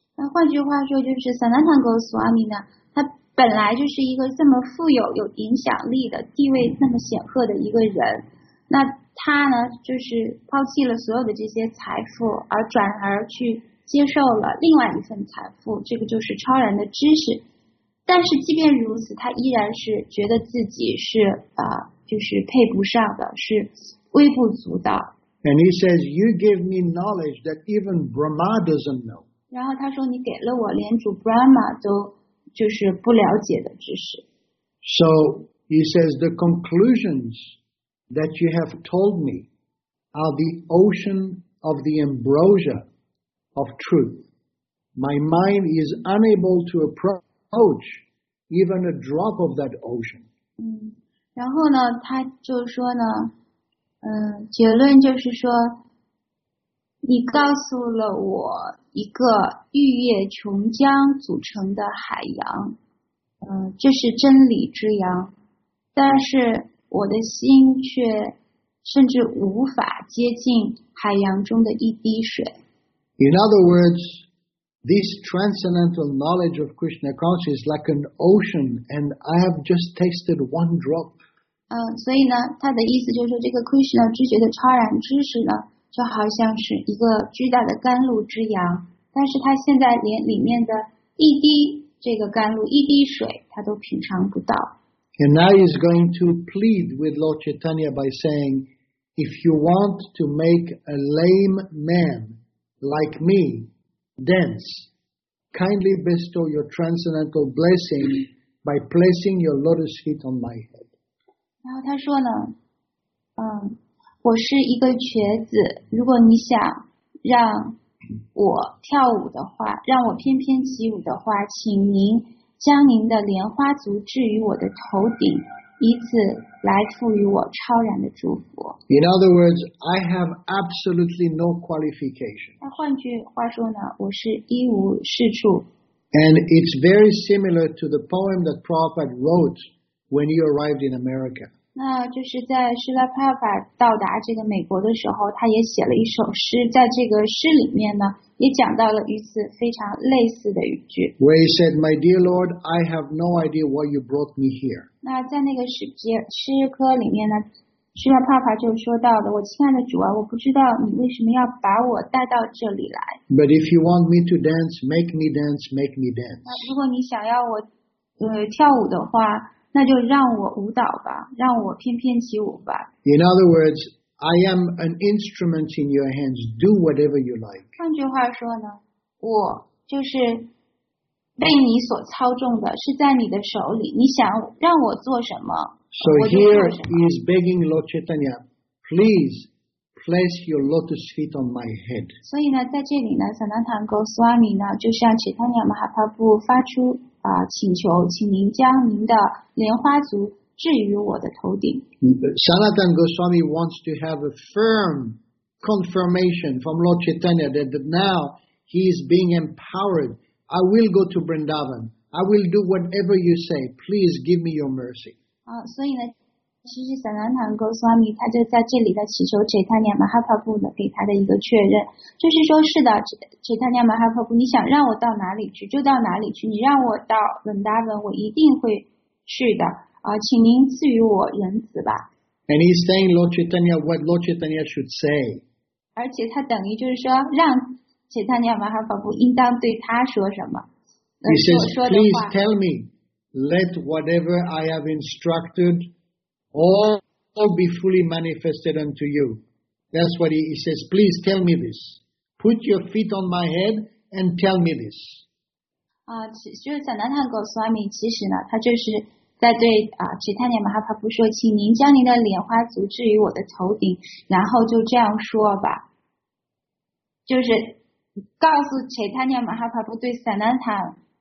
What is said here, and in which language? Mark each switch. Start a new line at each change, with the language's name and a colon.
Chinese: 那换句话说就是 Sanatan Goswami 呢，他本来就是一个这么富有有影响力的地位那么显赫的一个人，那他呢就是抛弃了所有的这些财富而转而去接受了另外一份财富，这个就是超然的知识。但是即便如此，他依然是觉得自己是就是配不上的，是微不足道。
English: And he says, "You give me knowledge that even Brahma doesn't know."
Chinese: 然后他说，你给了我连主 Brahma 都就是不了解的知识。
English: So he says, "The conclusions that you have told me are the ocean of the ambrosia of truth. My mind is unable to approach." Ouch, even a drop of that ocean.
Chinese: 然后呢他就说呢结论就是说你告诉了我一个玉液琼浆组成的海洋这是真理之洋但是我的心却甚至无法接近海洋中的一滴水。
English: In other words,This transcendental knowledge of Krishna consciousness is like an ocean, and I have just tasted one drop.
Chinese: 所以呢，他的意思就是这个 Krishna 知觉的超然知识呢，就好像是一个巨大的甘露之洋，但是他现在连里面的一滴这个甘露、一滴水，他都品尝不到。
English: And now he's going to plead with Lord Chaitanya by saying, "If you want to make a lame man like me." Dance, kindly bestow your transcendental blessing by placing your lotus feet on my head.
Chinese: 然后他说呢，我是一个瘸子。如果你想让我跳舞的话，让我翩翩起舞的话，请您将您的莲花足置于我的头顶，以此来赋予我超然的祝福。
English: In other words, I have absolutely no qualification.
Chinese: 那换句话说呢，我是一无是处。
English: And it's very similar to the poem that Prabhupada wrote when he arrived in America.
Chinese: 那就是在释迦牟尼到达这个美国的时候，他也写了一首诗，在这个诗里面呢，也讲到了与此非常类似的语句。
English: Where he said, "My dear Lord, I have no idea why you brought me here."
Chinese: 那在那个诗歌里面呢，释迦牟尼就说到了，我亲爱的主啊，我不知道你为什么要把我带到这里来。
English: But if you want me to dance, make me dance, make me dance.
Chinese: 那如果你想要我跳舞的话，那就让我舞蹈吧，让我翩翩起舞吧。
English: In other words, I am an instrument in your hands. Do whatever you like.
Chinese: 换句话说呢，我就是被你所操纵的，是在你的手里。你想让我做什么？
English: So here he is begging Lord Chaitanya, please place your lotus feet on my head.
Chinese: 所以呢，在这里呢，萨那塔勾斯瓦米呢，就向切塔尼亚马哈帕布发出请求，请您将您的莲花足置于我的头顶。
English: 萨那塔勾斯瓦米 wants to have a firm confirmation from Lord Chaitanya that now he is being empowered. I will go to Vrindavan. I will do whatever you say. Please give me your mercy.
Chinese: 所以呢，其实萨那塔勾斯瓦米他就在这里的祈求切塔尼亚马哈帕布的给他的一个确认，就是说是的，切塔尼亚马哈帕布，你想让我到哪里去就到哪里去，你让我到伦达文我一定会去的，请您赐予我仁慈吧。
English: And he's saying Lord Chaitanya what Lord Chaitanya should say.
Chinese: 而且他等于就是说让切塔尼亚马哈帕布应当对他说什么。
English: He says, please tell me. Let whatever I have instructed all be fully manifested unto you. That's what he says. Please tell me this. Put your feet on my head and tell me this.
Chinese: 就是萨那塔勾斯瓦米，其实呢，他就是在对切塔尼亚马哈帕布说，请您将您的莲花足置于我的头顶，然后就这样说吧，就是告诉切塔尼亚马哈帕布对萨那塔。